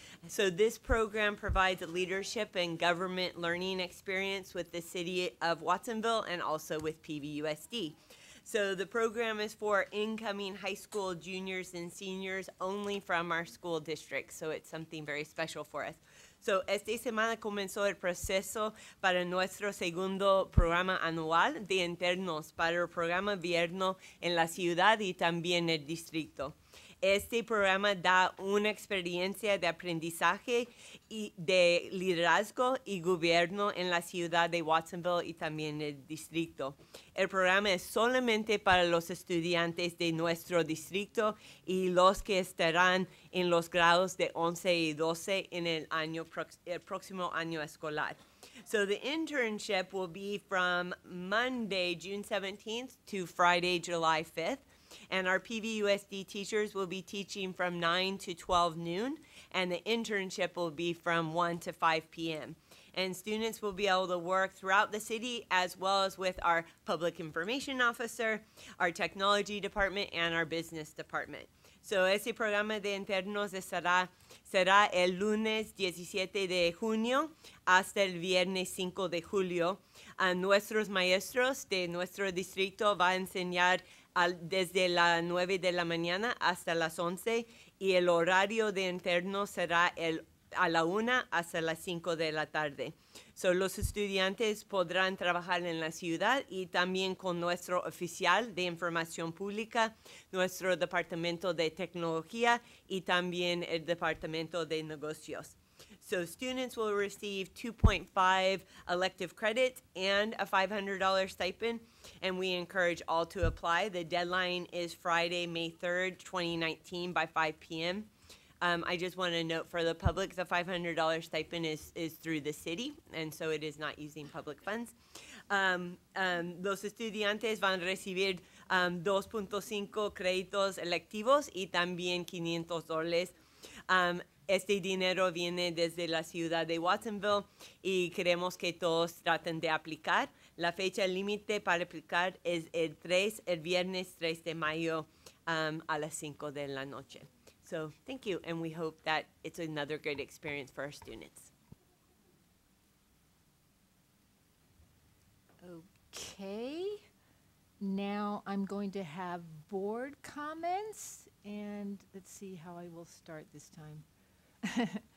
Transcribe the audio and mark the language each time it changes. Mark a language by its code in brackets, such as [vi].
[en] So this program provides a leadership and government learning experience with the city of Watsonville and also with PVUSD. So the program is for incoming high school juniors and seniors only from our school district. So it's something very special for us. [es] So esta semana comenzó el proceso para nuestro segundo programa anual de internos para el programa invierno en la ciudad y también el distrito. Este programa da una experiencia de aprendizaje y de liderazgo y gobierno en la ciudad de Watsonville y también el distrito. El programa es solamente para los estudiantes de nuestro distrito y los que estarán en los grados de 11 y 12 en el próximo año escolar. [en] So the internship will be from Monday, June 17th to Friday, July 5th. And our PVUSD teachers will be teaching from 9 to 12 noon, and the internship will be from 1 to 5 p.m. And students will be able to work throughout the city as well as with our public information officer, our technology department, and our business department. [es] So ese programa de internos será el lunes 17 de junio hasta el viernes 5 de julio. Nuestros maestros de nuestro distrito va a enseñar desde las 9 de la mañana hasta las 11, y el horario de interno será a la 1 hasta las 5 de la tarde. So, los estudiantes podrán trabajar en la ciudad y también con nuestro oficial de información pública, nuestro departamento de tecnología y también el departamento de negocios. [en] So students will receive 2.5 elective credits and a $500 stipend, and we encourage all to apply. The deadline is Friday, May 3rd, 2019, by 5 p.m. I just want to note for the public, the $500 stipend is through the city, and so it is not using public funds. [es] Los estudiantes van a recibir 2.5 créditos electivos y también $500. Este dinero viene desde la ciudad de Watsonville y queremos que todos traten de aplicar. La fecha límite para aplicar es el viernes 3 de mayo a las 5 de la noche. [en] So, thank you, and we hope that it's another great experience for our students. Okay, now I'm going to have board comments, and let's see how I will start this time.